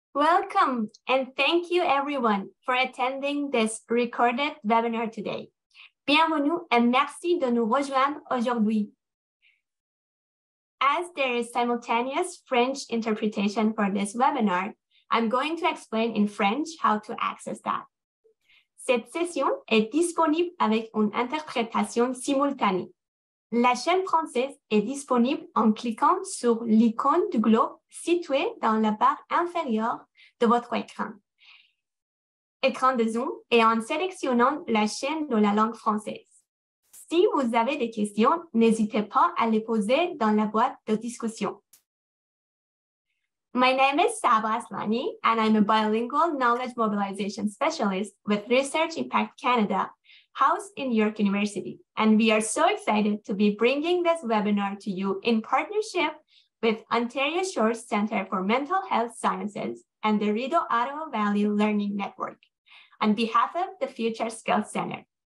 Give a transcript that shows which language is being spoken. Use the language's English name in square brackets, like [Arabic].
[English] Welcome and thank you everyone for attending this recorded webinar today. [French] Bienvenue et merci de nous rejoindre aujourd'hui. [English] As there is simultaneous French interpretation for this webinar, I'm going to explain in French how to access that. [French] Cette session est disponible avec une interprétation simultanée. La chaîne française est disponible en cliquant sur l'icône du globe située dans la barre inférieure de votre écran. Écran de Zoom et en sélectionnant la chaîne de la langue française. Si vous avez des questions, n'hésitez pas à les poser dans la boîte de discussion. [English] My name is Sabra Aslani and I'm a bilingual knowledge mobilization specialist with Research Impact Canada, housed in York University. And we are so excited to be bringing this webinar to you in partnership with Ontario Shores Center for Mental Health Sciences and the Rideau-Ottawa Valley Learning Network on behalf of the Future Skills Center.